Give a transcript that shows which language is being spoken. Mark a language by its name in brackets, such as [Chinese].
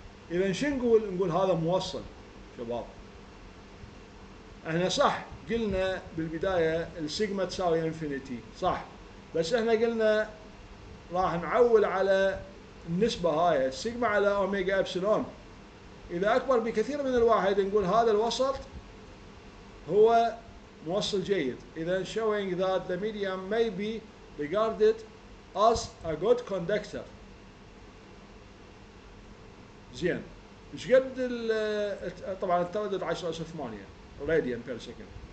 [Arabic] اذا شو نقول؟ نقول هذا موصل شباب. احنا صح قلنا بالبدايه السيجما تساوي انفينيتي صح، بس احنا قلنا راح نعول على النسبه هاي السيجما على اوميجا ابسلون اذا اكبر بكثير من الواحد نقول هذا الوسط هو موصل جيد. [English] اذا showing that the medium may be regarded as a good conductor. [Arabic] زين ايش قد طبعا التردد 10 اس 8 راديان بير سكند.